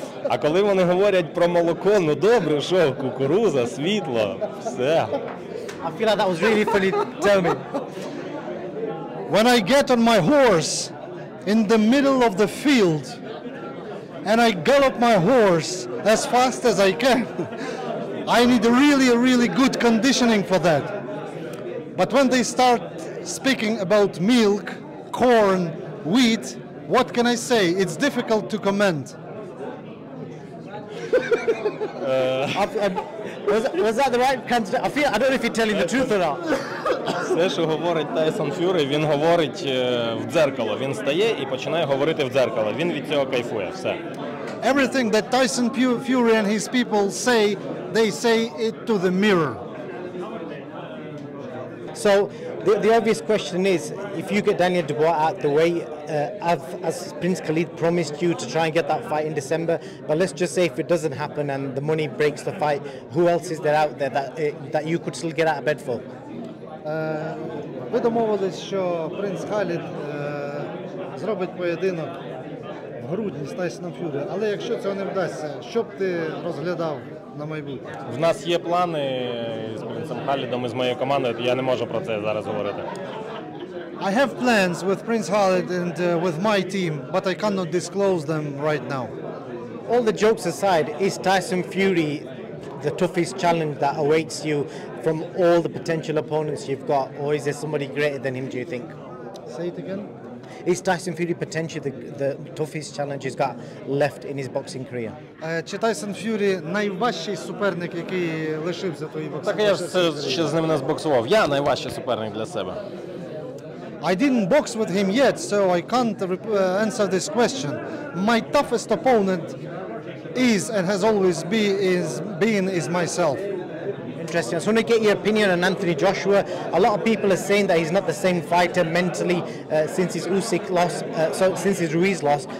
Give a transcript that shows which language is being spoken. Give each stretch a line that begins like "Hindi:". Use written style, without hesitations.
Ukrainian: А коли вони говорять про молоко, ну добре, що, кукуруза, світло, все.
English: I feel like that was really funny, tell me. When I get on my horse in the middle of the field and I gallop my horse as fast as I can, I need really, really good conditioning for that. But when they start speaking about milk, corn, wheat, what can I say? It's difficult to comment. Was that the right answer? I don't know if you're telling the truth or not.
Ukrainian: Все, що говорить Тайсон Ф'юрі, він говорить в дзеркало. Він стає і починає говорити в дзеркало. Він від цього кайфує. Все.
English: Everything that Tyson Fury and his people say, they say it to the mirror. So, the obvious question is, if you get Daniel Dubois out the way, as Prince Khalid promised you to try and get that fight in December, but let's just say if it doesn't happen and the money breaks the fight, who else is there out there that you could still get out of bed for?
Ukrainian: Ми домовились, що принц Халід зробить поєдинок в грудні з Тайсоном Ф'юрі. Але якщо цього не вдасться, що б ти розглядав на майбутнє? В нас є плани з принцем Халідом і з моєю командою, я не можу про це зараз говорити.
English: I have plans with Prince Khalid and with my team, but I cannot disclose them right now. All the jokes aside, is Tyson Fury the toughest challenge that awaits you from all the potential opponents you've got, or is there somebody greater than him, do you think? Say it again. Is Tyson Fury potentially the toughest challenge he's got left in his boxing career?
Ukrainian: Чи Тайсон Ф'юрі найважчий суперник, який лишився в твоїй боксі? Так я ще з ним не збоксував. Я найважчий суперник для себе.
English: I didn't box with him yet, so I can't answer this question. My toughest opponent is and has always been is myself. Interesting. I just want to get your opinion on Anthony Joshua. A lot of people are saying that he's not the same fighter mentally since his Usyk loss, since his Ruiz loss.